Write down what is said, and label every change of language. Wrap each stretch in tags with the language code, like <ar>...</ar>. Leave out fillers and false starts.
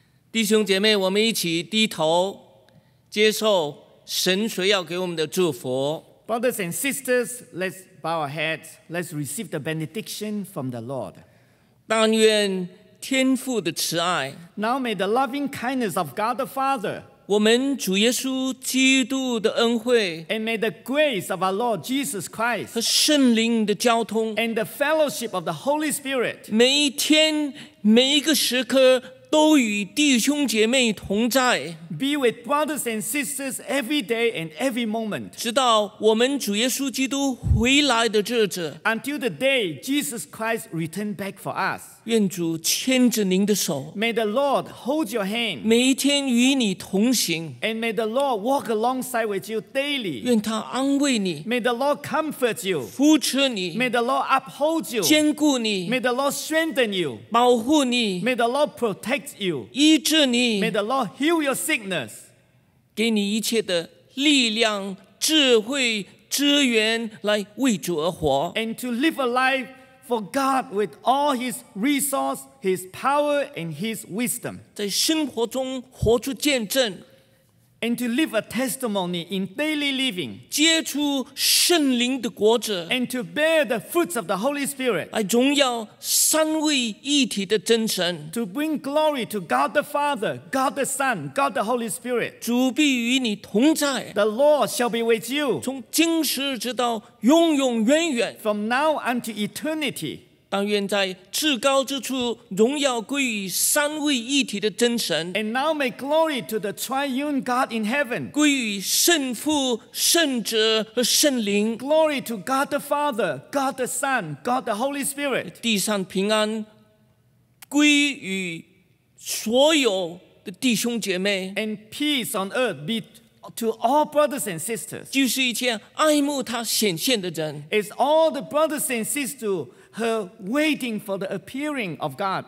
<zh>弟兄姐妹，我们一起低头接受神所要给我们的祝福。</zh> <en>Brothers and sisters, let's bow our heads. Let's receive the benediction from the Lord.</en> <zh>但愿天父的慈爱，</zh> <en>Now may the loving kindness of God the Father,</en> <zh>我们主耶稣基督的恩惠，</zh> <en>And may the grace of our Lord Jesus Christ,</en> <zh>和圣灵的交通，</zh> <en>And the fellowship of the Holy Spirit,</en> <zh>每一天每一个时刻都与弟兄姐妹同在，</zh> <en>Be with brothers and sisters every day and every moment，</en> <zh>直到我们主耶稣基督回来的日子，</zh> <en>Until the day Jesus Christ returned back for us，</en> <zh>愿主牵着您的手，</zh> <en>May the Lord hold your hand，</en> <zh>每一天与你同行，</zh> <en>And may the Lord walk alongside with you daily，</en> <zh>愿他安慰你，</zh> <en>May the Lord comfort you，</en> <zh>扶持你，</zh> <en>May the Lord uphold you，</en> <zh>坚固你，</zh> <en>May the Lord strengthen you，</en> <zh>保护你，</zh> <en>May the Lord protect you，</en> <zh>医治你，</zh> <en>May the Lord heal your sickness，</en> <zh>给你一切的力量智慧资源来为主而活，</zh> <en>And to live a life for God with all his resource, his power and his wisdom，</en> <zh>在生活中活出见证，</zh> <en>And to live a testimony in daily living，</en> <zh>结出圣灵的果子，</zh> <en>And to bear the fruits of the Holy Spirit，</en> <zh>来荣耀三位一体的真神，</zh> <en>To bring glory to God the Father, God the Son, God the Holy Spirit，</en> <zh>主必与你同在，</zh> <en>The Lord shall be with you，</en> <zh>从今时直到永永远远，</zh> <en>From now unto eternity，</en> <zh>但愿在至高之处荣耀归于三位一体的真神，</zh> <en>And now may glory to the triune God in heaven，</en> <zh>归于圣父圣子和圣灵，</zh> <en>Glory to God the Father, God the Son, God the Holy Spirit，</en> <zh>地上平安归于所有的弟兄姐妹，</zh> <en>And peace on earth be to all brothers and sisters，</en> <zh>就是一切爱慕他显现的人，</zh> <en>It's all the brothers and sisters Her waiting for the appearing of God.</en>